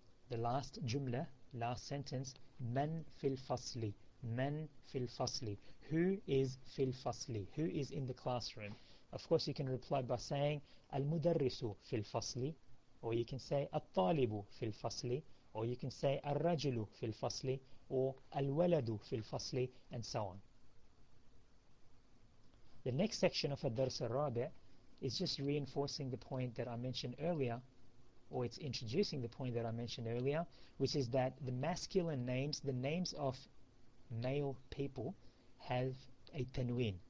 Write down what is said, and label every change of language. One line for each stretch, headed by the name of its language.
English: The last jumla, last sentence.
Arabic: من في الفصل. من في الفصل.
English: Who is
Arabic: في الفصل.
English: Who is in the classroom. Of course you can reply by saying
Arabic: المدرس في الفصل.
English: Or you can say
Arabic: الطالب في الفصل.
English: Or you can say
Arabic: الرجل في الفصل.
English: Or
Arabic: الولد في الفصل.
English: And so on. The next section of
Arabic: الدرس الرابع
English: is just reinforcing the point that I mentioned earlier, or it's introducing the point that I mentioned earlier, which is that the masculine names, the names of male people, have a tanwin.